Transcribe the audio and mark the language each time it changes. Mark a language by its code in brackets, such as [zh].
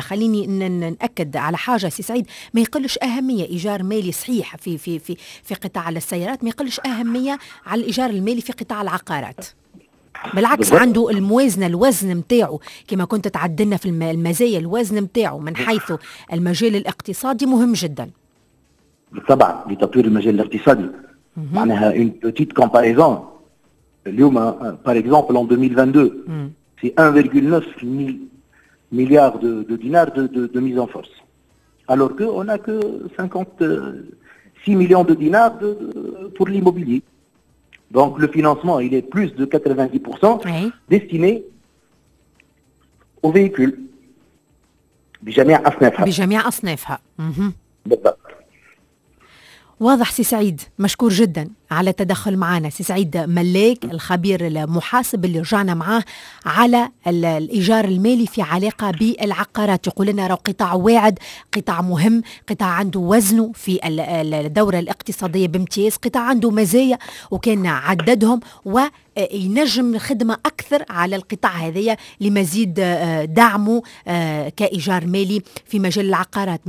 [ar] خليني ناكد على حاجه سي سعيد, ما يقلش اهميه ايجار مالي صحيح في في في في قطاع السيارات, ما يقلش اهميه على الايجار المالي في قطاع العقارات. بالعكس بالضبط. عنده الموازنة، الوزن متاعه كما كنت تعدلنا في المزايا، الوزن متاعه من حيث المجال الاقتصادي مهم جدا طبعا لتطوير المجال الاقتصادي. معناها [fr] une petite comparaison [ar] اليوم [fr] par exemple en 2022 c'est 1,9 milliards de dinars de mise en force alors que on a que 56 millions de dinars pour l'immobilier. Donc le financement il est plus de 90% destiné aux véhicules [ar] بجميع اصنافها بجميع اصنافها. بالضبط. واضح سي سعيد، مشكور جدا على تدخل معنا سي سعيد ملاك الخبير المحاسب اللي رجعنا معاه على الإيجار المالي في علاقة بالعقارات. يقول لنا رو قطاع واعد، قطاع مهم، قطاع عنده وزنه في الدورة الاقتصادية بامتياز، قطاع عنده مزايا وكان عددهم وينجم خدمة أكثر على القطاع هذية لمزيد دعمه كإيجار مالي في مجال العقارات.